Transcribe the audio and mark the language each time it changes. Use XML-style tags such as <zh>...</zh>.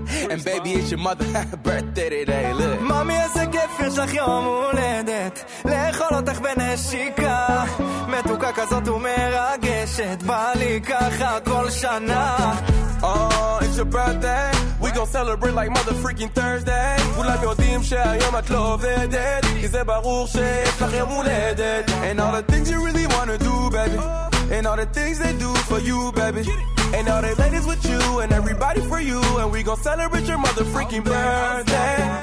<en>And baby, it's your mother's birthday today. Look. Mami, it's a gift. It's your day of birth.</en> <he>לאכול אותך בנשיקה. מתוקה כזאת ומרגשת. בא לי ככה כל שנה.</he> <en>Oh, it's your birthday. We gon' celebrate like mother freaking Thursday.</en> <he>כולם יודעים שהיום את לא עובדת. כי זה ברור שיש לך יום הולדת.</he> <en>And all the things you really wanna do, baby. And all the things they do for you, baby. And all the ladies with you and everybody for you. And we gon' celebrate your mother freaking birthday.</en>